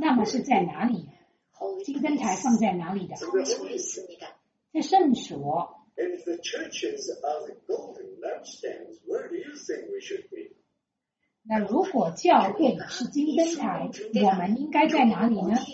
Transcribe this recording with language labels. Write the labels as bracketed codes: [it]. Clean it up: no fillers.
[zh] 那么是在哪里？金灯台放在哪里的？在圣所里面。在圣所 [en] If the churches are the golden lampstands, where do you think we should be? [zh] 那如果教会是金灯台，我们应该在哪里呢？